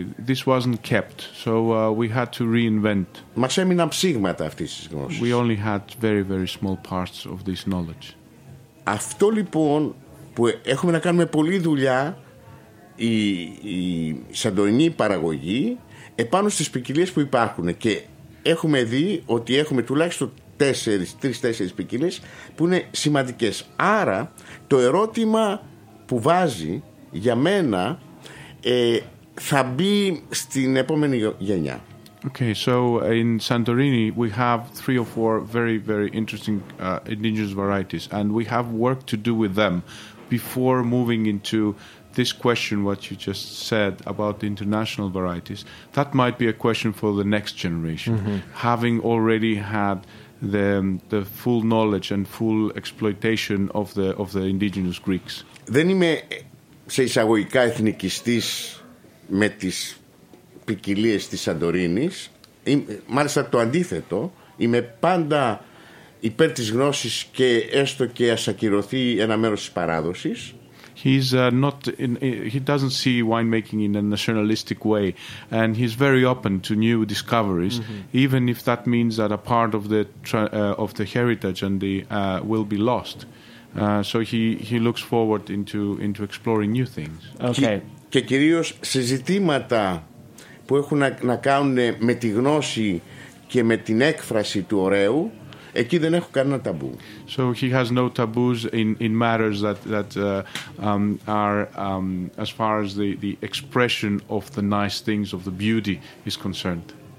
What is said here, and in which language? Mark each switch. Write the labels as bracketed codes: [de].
[en] This wasn't kept, so we had to reinvent. [el] Μας έμειναν ψήγματα αυτής της γνώσης. [en] We only had very, very small parts of this knowledge. [el] Αυτό λοιπόν που έχουμε να κάνουμε πολλή δουλειά η, η σαντορινή παραγωγή επάνω στις ποικιλίες που υπάρχουν και έχουμε δει ότι έχουμε τουλάχιστον τρεις-τέσσερις ποικιλίες που είναι σημαντικές. Άρα το ερώτημα που βάζει για μένα θα μπει στην επόμενη γενιά. [en] Okay, so in Santorini we have three or four very, very interesting indigenous varieties and we have work to do with them before moving into this question what you just said about the international varieties. That might be a question for the next generation, mm-hmm. having already had the full knowledge and full exploitation of the indigenous Greeks. [el] Δεν είμαι σε εισαγωγικά εθνικιστής με τις ποικιλίες της Σαντορίνης. Μάλιστα το αντίθετο. Είμαι πάντα υπέρ της γνώσης και έστω και ας ακυρωθεί ένα μέρος της παράδοσης. [en] He's not in, he doesn't see winemaking in a nationalistic way and he's very open to new discoveries mm-hmm. even if that means that a part of the heritage and the will be lost so he looks forward into exploring new things. Okay. [el] Και κυρίως σε ζητήματα που έχουν να κάνουν με τη γνώση και με την έκφραση του ωραίου. Εκεί δεν έχω κανένα ταμπού. [en] So he has no taboos in matters that are as far as the expression of the nice things of the beauty is concerned.